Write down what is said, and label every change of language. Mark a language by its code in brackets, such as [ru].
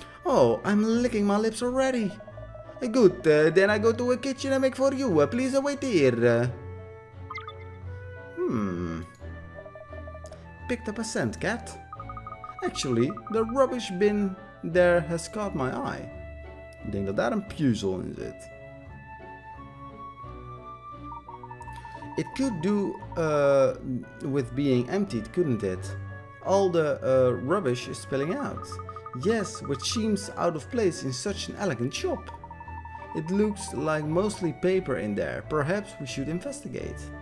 [en] Oh, I'm licking my lips already. Good, then I go to a kitchen and make for you. Please wait here. Picked up a scent, cat. Actually, the rubbish bin there has caught my eye. [nl] Ik denk dat daar een puzzel in zit. [en] It could do with being emptied, couldn't it? All the rubbish is spilling out. Yes, which seems out of place in such an elegant shop. It looks like mostly paper in there. Perhaps we should investigate.